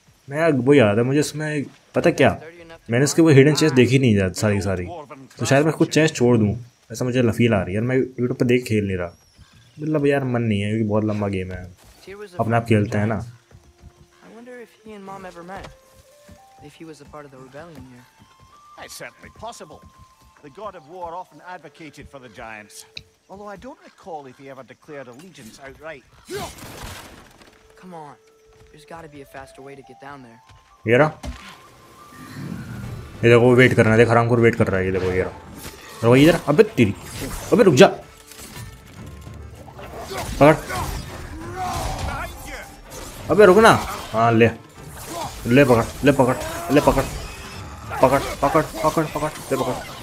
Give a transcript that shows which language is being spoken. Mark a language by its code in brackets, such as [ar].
[hi] मैं वो याद है मुझे इसमें, पता क्या मैंने इसके वो हिडन चेस्ट देखी नहीं जाती सारी, तो शायद मैं कुछ चेस्ट छोड़ दूँ, ऐसा मुझे फील आ रही है। मैं यूट्यूब पर देख खेल नहीं रहा, मतलब यार मन नहीं है क्योंकि बहुत लंबा गेम है, अपने आप खेलते हैं ना। [en] I wonder if he and mom ever met. If he was a part of the rebellion here. It's certainly possible. The god of war often advocated for the giants. Although I don't recall if he ever declared allegiance outright. Come on. There's got to be a faster way to get down there. [hi] ये रहा। ये देखो wait कर रहा है, देख हरामखोर wait कर रहा है, ये देखो ये रहा। रुक इधर, अबे तेरी, अबे रुक जा। अबे रुक ना, हाँ ले ले पकड़ ले पकड़ ले पकड़ पकड़ पकड़ पकड़ पकड़ ले पकड़।